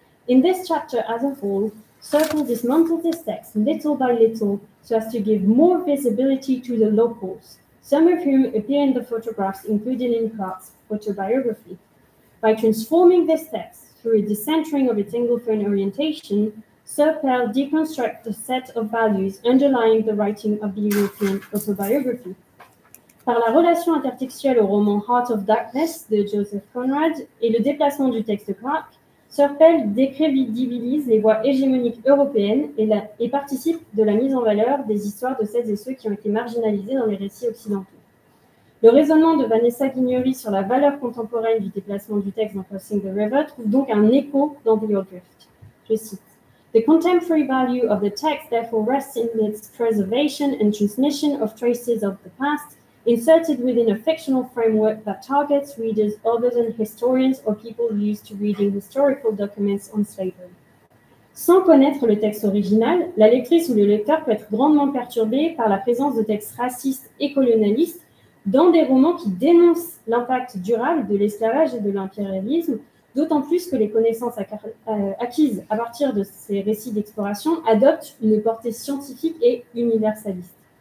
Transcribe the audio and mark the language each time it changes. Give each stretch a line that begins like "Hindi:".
English: In this chapter as a whole, Circle dismantled this text little by little so as to give more visibility to the locals, some of whom appear in the photographs included in Clark's autobiography. By transforming this text through a decentering of its Anglophone orientation, Serpell deconstructs the set of values underlying the writing of the European autobiography.
French: Par la relation intertextuelle au roman Heart of Darkness de Joseph Conrad et le déplacement du texte de Clark, Serpell décrédibilise les voix hégémoniques européennes et participe de la mise en valeur des histoires de celles et ceux qui ont été marginalisés dans les récits occidentaux. Le raisonnement de Vanessa Guignori sur la valeur contemporaine du déplacement du texte dans Crossing the River trouve donc un écho dans The Old Drift. Je cite.
English: The contemporary value of the text therefore rests in its preservation and transmission of traces of the past inserted within a fictional framework that targets readers other than historians or people used to reading historical documents on slavery.
French: Sans connaître le texte original, la lectrice ou le lecteur peut être grandement perturbé par la présence de textes racistes et colonialistes dans des romans qui dénoncent l'impact durable de l'esclavage et de l'impérialisme, d'autant plus que les connaissances acquises à partir de ces récits d'exploration adoptent une portée scientifique et universaliste.